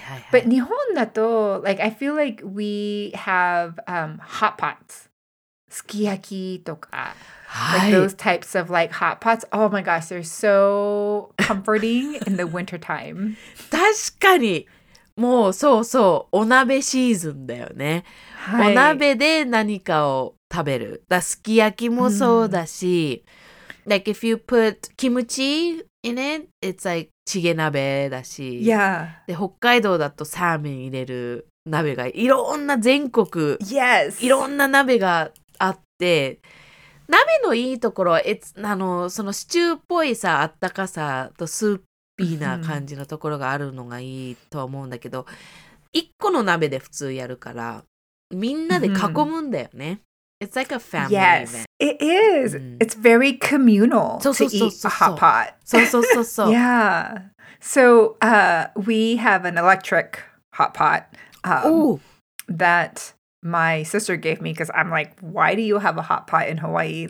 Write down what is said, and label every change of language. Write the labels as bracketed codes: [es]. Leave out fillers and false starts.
[en] But [ja] 日本だと [en] like I feel like we have hot pots. [ja] すき焼きとか。 [en] Like those types of like hot pots. Oh my gosh, they're so comforting in the winter time. [ja] 確かに。もうそうそう。お鍋シーズンだよね。はい、お鍋で何かを食べる。だすき焼きもそうだし。 [en] Like if you put kimchi in it, it's like [ja] チゲ鍋だし。 [en] Yeah. [ja] で、北海道だとサーメン入れる鍋がいろんな全国。 [en] Yes. [ja] いろんな鍋があって。鍋のいいところは、あの、そのシチューっぽいさ、あったかさとスーピーな感じのところがあるのがいいと思うんだけど、一個の鍋で普通やるから、みんなで囲むんだよね。 [en] It's like a family event. Yes, it is. It's very communal to eat a hot pot. [ja] そう。 [en] Yeah. So, we have an electric hot pot that... My sister gave me because I'm like, why do you have a hot pot in Hawaii?